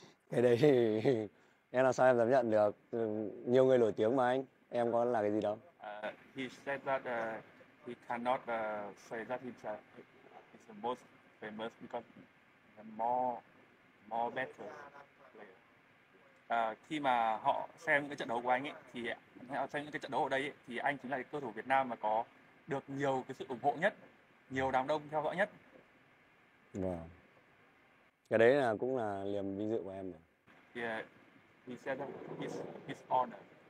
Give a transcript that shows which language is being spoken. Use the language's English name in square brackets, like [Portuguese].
[Vietnamese] Cái đấy thì em làm sao em dám nhận được, nhiều người nổi tiếng mà anh, em có là cái gì đâu. [English] He said that he cannot say that he's the most famous because the more better player. [Vietnamese] Khi mà họ xem cái trận đấu của anh ấy thì họ xem những cái trận đấu ở đây ấy, thì anh chính là cầu thủ Việt Nam mà có được nhiều cái sự ủng hộ nhất, nhiều đám đông theo dõi nhất. Vâng. Cái đấy là cũng là niềm vinh dự của em rồi. [English] He said that his honor.